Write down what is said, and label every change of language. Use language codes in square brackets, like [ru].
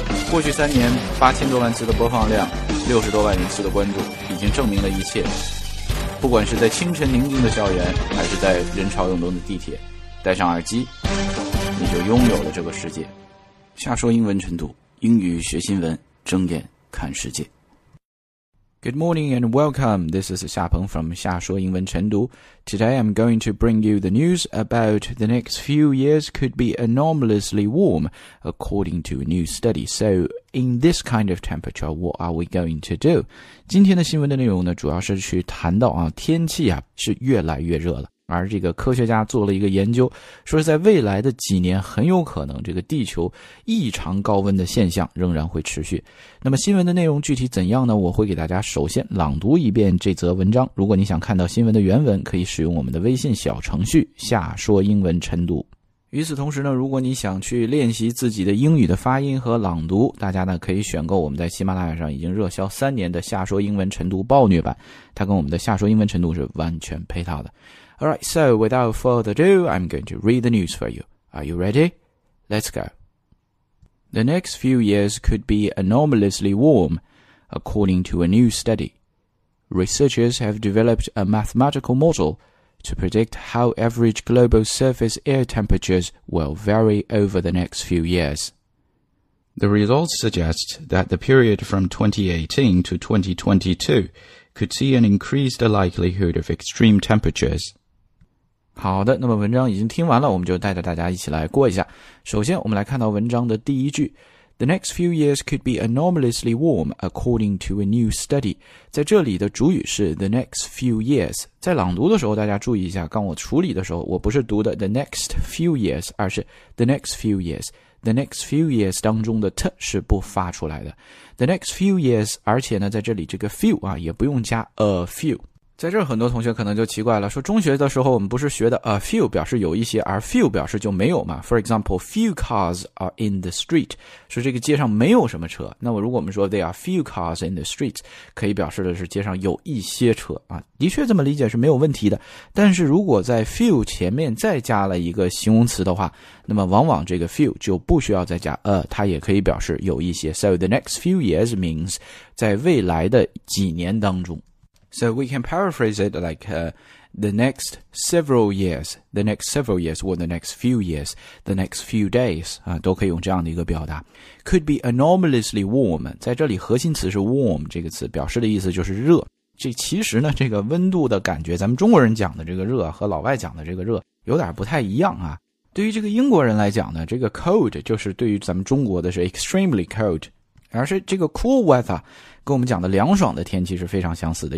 [zh] 过去三年，8000多万次的播放量，60多万人次的关注，已经证明了一切。不管是在清晨宁静的校园，还是在人潮涌动的地铁，戴上耳机，你就拥有了这个世界。下说英文晨读，英语学新闻，睁眼看世界。 [en] Good morning and welcome. This is Xia Peng from 夏说英文晨读. Today I'm going to bring you the news about the next few years could be anomalously warm, according to a new study. So, in this kind of temperature, what are we going to do? [zh] 今天的新闻的内容呢，主要是去谈到啊，天气啊，是越来越热了。而这个科学家做了一个研究，说是在未来的几年很有可能这个地球异常高温的现象仍然会持续。那么新闻的内容具体怎样呢？我会给大家首先朗读一遍这则文章。如果你想看到新闻的原文，可以使用我们的微信小程序下说英文晨读。与此同时呢，如果你想去练习自己的英语的发音和朗读，大家呢可以选购我们在喜马拉雅上已经热销3年的下说英文晨读暴虐版，它跟我们的下说英文晨读是完全配套的。 [en] Alright, so without further ado, I'm going to read the news for you. Are you ready? Let's go. The next few years could be anomalously warm, according to a new study. Researchers have developed a mathematical model to predict how average global surface air temperatures will vary over the next few years. The results suggest that the period from 2018 to 2022 could see an increased likelihood of extreme temperatures. [zh] 好的，那么文章已经听完了，我们就带着大家一起来过一下。首先我们来看到文章的第一句， [en] The next few years could be anomalously warm according to a new study. [zh] 在这里的主语是 [en] the next few years. [zh] 在朗读的时候大家注意一下，刚我处理的时候我不是读的 the next few years, 而是 the next few years. [en] The next few years [zh] 当中的 t 是不发出来的。The next few years, 而且呢在这里这个 few 啊也不用加 a few. 在这很多同学可能就奇怪了，说中学的时候我们不是学的 a few 表示有一些，而 few 表示就没有嘛。 [en] For example, few cars are in the street, [zh] 说这个街上没有什么车。那么如果我们说 [en] there are few cars in the street, [zh] 可以表示的是街上有一些车啊。的确这么理解是没有问题的，但是如果在 few 前面再加了一个形容词的话，那么往往这个 few 就不需要再加 a, 它也可以表示有一些。 [en] So the next few years means [zh] 在未来的几年当中。 [en] So we can paraphrase it like, the next several years, the next several years, or the next few years, the next few days, [zh] 都可以用这样的一个表达。 [en] Could be anomalously warm, [zh] 在这里核心词是 warm, 这个词表示的意思就是热。这其实呢，这个温度的感觉，咱们中国人讲的这个热和老外讲的这个热有点不太一样啊。对于这个英国人来讲呢，这个 cold 就是对于咱们中国的是 extremely cold,而是这个 cool weather 跟我们讲的凉爽的天气是非常相似的。